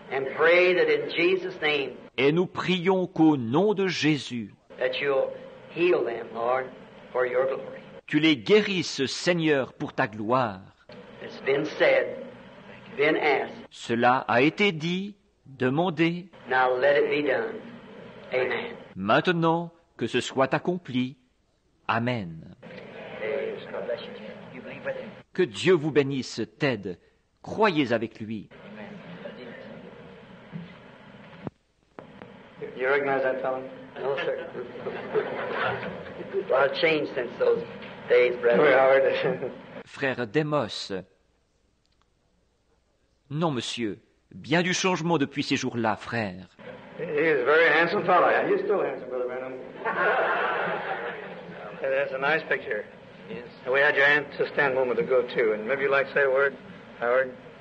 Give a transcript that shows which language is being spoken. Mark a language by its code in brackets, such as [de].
[en] And pray that in Jesus' name, [fr] et nous prions qu'au nom de Jésus, [en] that you'll heal them, Lord, for your glory. [fr] Tu les guérisses, Seigneur, pour ta gloire. [en] It's been said. Been asked. [fr] Cela a été dit, demandé. [en] Now let it be done. Amen. [fr] Maintenant, que ce soit accompli. Amen. Que Dieu vous bénisse, Ted. Croyez avec lui. Amen. [en] You recognize that fellow? No, sir. A lot of change since those days, brother. [fr] Frère Demos. Non, monsieur. Bien du changement depuis ces jours-là, frère. [en] He is a very handsome fellow. Yeah, he's still handsome, Brother Branham. That's a nice picture. Yes. We had your aunt to stand a moment ago, too. And maybe you'd like to say a word, Howard?